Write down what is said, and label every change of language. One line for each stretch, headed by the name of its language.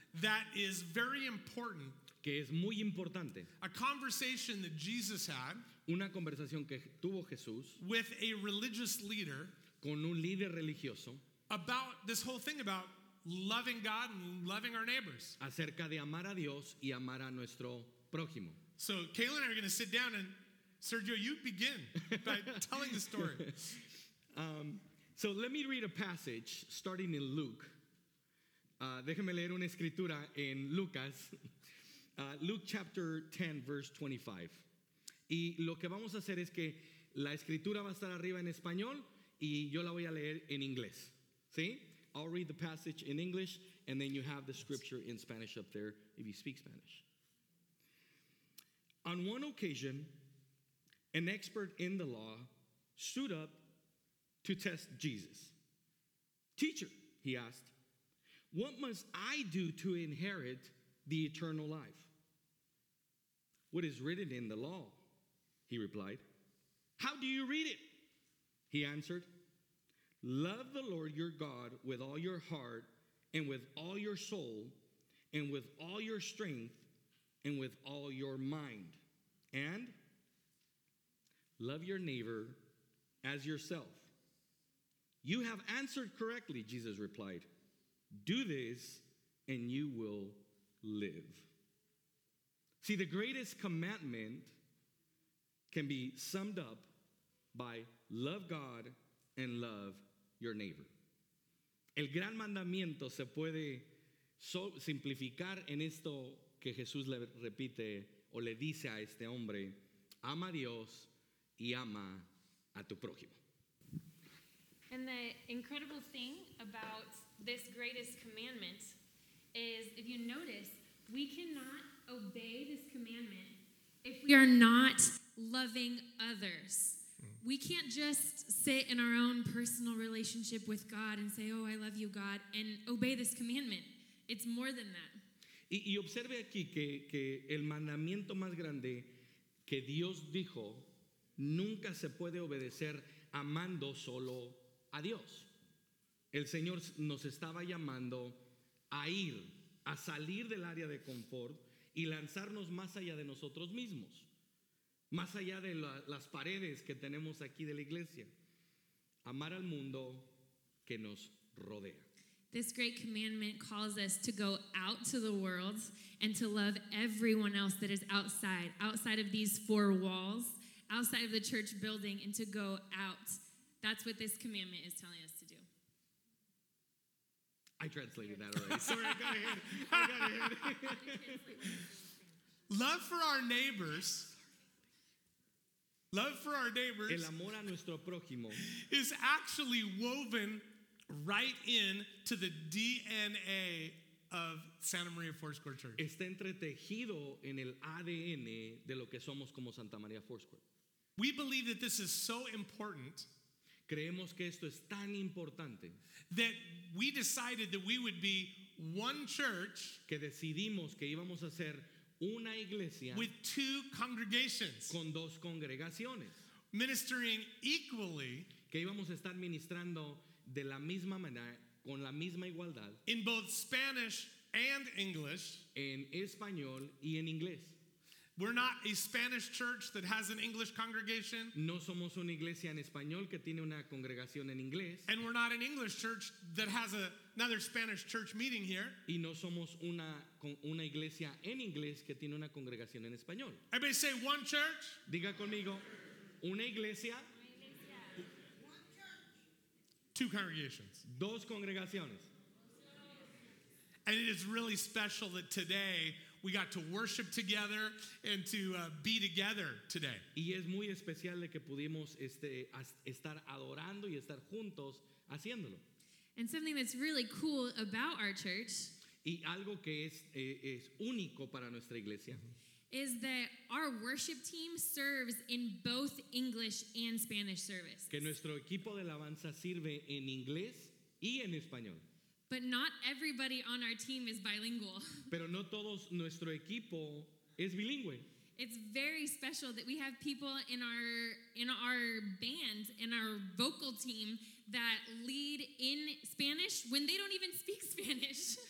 English: that is very important.
Spanish: Que es muy importante.
English: A conversation that Jesus had.
Spanish: Una conversación que tuvo Jesús
English: with a religious leader.
Spanish: Con un líder religioso.
English: About this whole thing about loving God and loving our neighbors.
Spanish: Acerca de amar a Dios y amar a nuestro prójimo.
English: So Kayla and I are going to sit down and Sergio, you begin by telling the story. So let me read a passage starting in Luke.
Spanish: Déjeme leer una escritura en Lucas.
English: Luke chapter 10 verse 25.
Spanish: Y lo que vamos a hacer es que la escritura va a estar arriba en español y yo la voy a leer en inglés. ¿Sí?
English: I'll read the passage in English and then you have the scripture in Spanish up there if you speak Spanish. On one occasion, an expert in the law stood up to test Jesus. Teacher, he asked, what must I do to inherit the eternal life? What is written in the law? He replied. How do you read it? He answered, love the Lord your God with all your heart and with all your soul and with all your strength and with all your mind. And love your neighbor as yourself. You have answered correctly, Jesus replied. Do this and you will live. See, the greatest commandment can be summed up by love God and love your neighbor.
Spanish: El gran mandamiento se puede simplificar en esto que Jesús le repite o le dice a este hombre, ama a Dios y ama a tu prójimo.
English: And the incredible thing about this greatest commandment is, if you notice, we cannot obey this commandment if we are not loving others. We can't just sit in our own personal relationship with God and say, oh, I love you, God, and obey this commandment. It's more than that.
Spanish: Y observe aquí que el mandamiento más grande que Dios dijo nunca se puede obedecer amando solo a Dios. El Señor nos estaba llamando a ir, a salir del área de confort y lanzarnos más allá de nosotros mismos. Más allá de las paredes que tenemos aquí de la iglesia, amar al mundo que nos rodea.
English: This great commandment calls us to go out to the world and to love everyone else that is outside, outside of these four walls, outside of the church building, and to go out. That's what this commandment is telling us to do. I translated that already. Sorry, I got ahead. Love for our neighbors
Spanish: el amor a nuestro prójimo
English: is actually woven right in to the DNA of Santa Maria Foursquare Church.
Spanish: Está entretejido en el ADN de lo que somos como Santa Maria Foursquare.
English: We believe that this is so important.
Spanish: Creemos que esto es tan importante.
English: That we decided that we would be one church.
Spanish: Que decidimos que íbamos a ser una iglesia
English: with two congregations,
Spanish: con dos congregaciones,
English: ministering equally,
Spanish: que íbamos a estar ministrando de la misma manera, con la misma igualdad,
English: in both Spanish and English,
Spanish: en español y en inglés.
English: We're not a Spanish church that has an English congregation.
Spanish: No somos una iglesia en español que tiene una congregación en inglés.
English: And we're not an English church that has another Spanish church meeting here.
Spanish: Y no somos una iglesia en inglés que tiene una congregación en español.
English: Everybody say one church.
Spanish: Diga conmigo, una iglesia.
English: Two congregations.
Spanish: Dos congregaciones.
English: And it is really special that today we got to worship together and to be together today.
Spanish: Y es muy especial de que pudimos estar adorando y estar juntos haciéndolo.
English: And something that's really cool about our church.
Spanish: Y algo que es único para nuestra iglesia.
English: Is that our worship team serves in both English and Spanish service.
Spanish: Que nuestro equipo de alabanza sirve en inglés y en español.
English: But not everybody on our team is bilingual.
Spanish: Pero no todos nuestro equipo es bilingüe.
English: It's very special that we have people in our band, in our vocal team, that lead in Spanish when they don't even speak Spanish.